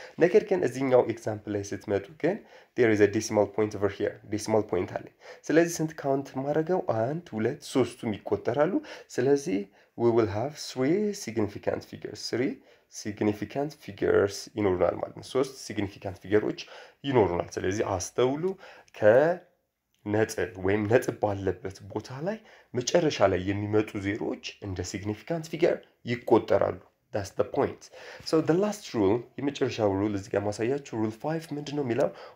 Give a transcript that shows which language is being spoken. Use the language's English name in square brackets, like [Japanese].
[Amharic] ነገር ግን እዚህኛው ኤግዛምፕል ላይ ስትመጡ ግን [English] there is a decimal point over here. [Amharic] Decimal point አለ. ስለዚህ ስንት ካውንት ማረጋው? 1 2 3ቱም ይቆጠራሉ. ስለዚህ [English] we will have 3 significant figures in ordinal malin. 3 significant figures in ordinal. [Amharic] ስለዚህ አስተውሉ ከ ነጥብ ወይም ነጥብ ባለበት ቦታ ላይ መጨረሻ ላይ የሚመጡ ዜሮዎች እንደ significant figure ይቆጠራሉ. [English] That's the point. So the last rule, [Amharic] የመጨረሻው rule እዚህ ጋር ማሳያችሁ rule 5 ምንድነው የሚለው?